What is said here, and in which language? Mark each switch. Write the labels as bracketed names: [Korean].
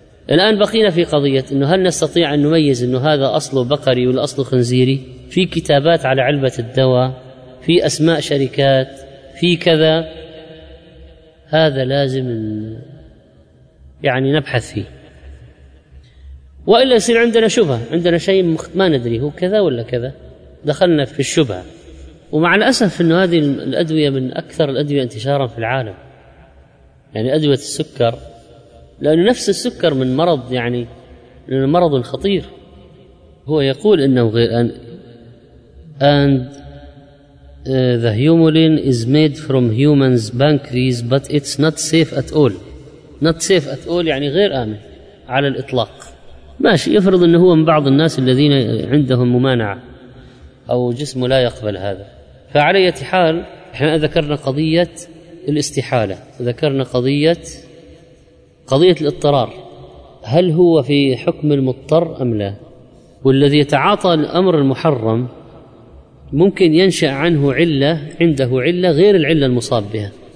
[Arabic] الآن بقينا في قضية أنه هل نستطيع أن نميز أنه هذا أصله بقري ولا أصله خنزيري؟ في كتابات على علبة الدواء، في أسماء شركات، في كذا، هذا لازم يعني نبحث فيه، وإلا يصير عندنا شبهة، عندنا شيء ما ندري هو كذا ولا كذا، دخلنا في الشبهة. ومع الأسف أن هذه الأدوية من أكثر الأدوية انتشارا في العالم، يعني أدوية السكر، لأن نفس السكر من مرض، يعني مرض خطير. هو يقول أنه غير [English] and the humulin is made from humans pancreas but it's not safe at all. not safe at all [Arabic] يعني غير آمن على الإطلاق. ماشي، يفرض أنه هو من بعض الناس الذين عندهم ممانعة أو جسمه لا يقبل هذا. فعلي حال إحنا ذكرنا قضية الاستحالة، ذكرنا قضية الاضطرار، هل هو في حكم المضطر أم لا؟ والذي يتعاطى الأمر المحرم ممكن ينشأ عنه علة، عنده علة غير العلة المصاب بها.